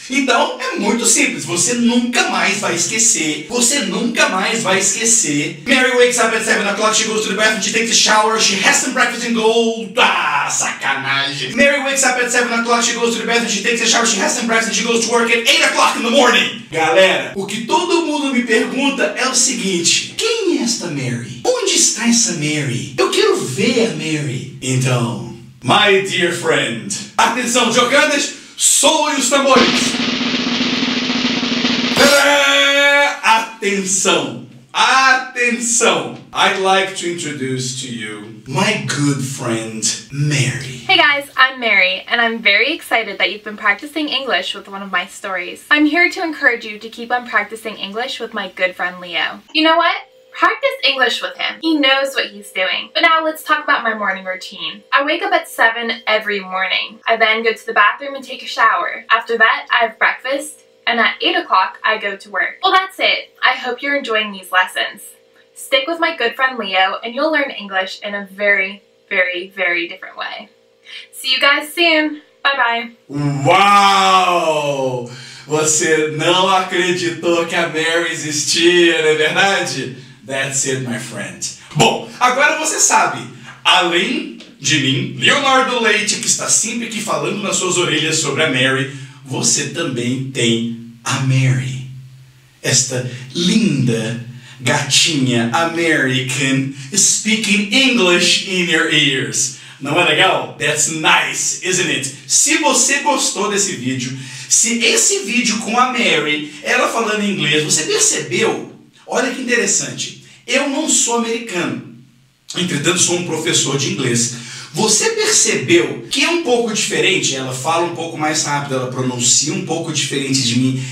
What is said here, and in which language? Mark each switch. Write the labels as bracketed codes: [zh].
[pt] Então, é muito simples. Você nunca mais vai esquecer. Você nunca mais vai esquecer. [en] Mary wakes up at 7 o'clock. She goes to the bathroom. She takes a shower. She has some breakfast and goes... [pt] Ah, sacanagem. [en] Mary wakes up at 7 o'clock. She goes to the bathroom. She takes a shower. She has some breakfast. She goes to work at 8 o'clock in the morning. [pt] Galera, o que todo mundo me pergunta é o seguinte. Quem é esta Mary? Onde está essa Mary? Eu quero ver a Mary. Então, [en] my dear friend. [pt] Atenção, jogadas. Soem os tambores! Atenção! Atenção! [en] I'd like to introduce to you my good friend, Mary. Hey guys, I'm Mary, and I'm very excited that you've been practicing English with one of my stories. I'm here to encourage you to keep on practicing English with my good friend, Leo. You know what? Practice English with him. He knows what he's doing. But now let's talk about my morning routine. I wake up at 7 every morning. I then go to the bathroom and take a shower. After that, I have breakfast, and at 8 o'clock, I go to work. Well, that's it. I hope you're enjoying these lessons. Stick with my good friend Leo, and you'll learn English in a very, very, very different way. See you guys soon. Bye-bye. Wow! [pt] Você não acreditou que a Mary existia, não é verdade? [en] That's it, my friend. [pt] Bom, agora você sabe, além de mim, Leonardo Leite, que está sempre aqui falando nas suas orelhas sobre a Mary, você também tem a Mary. Esta linda gatinha [en] American speaking English in your ears. [pt] Não é legal? [en] That's nice, isn't it? [pt] Se você gostou desse vídeo, se esse vídeo com a Mary, ela falando inglês, você percebeu? Olha que interessante. Eu não sou americano, entretanto sou um professor de inglês. Você percebeu que é um pouco diferente? Ela fala um pouco mais rápido, ela pronuncia um pouco diferente de mim.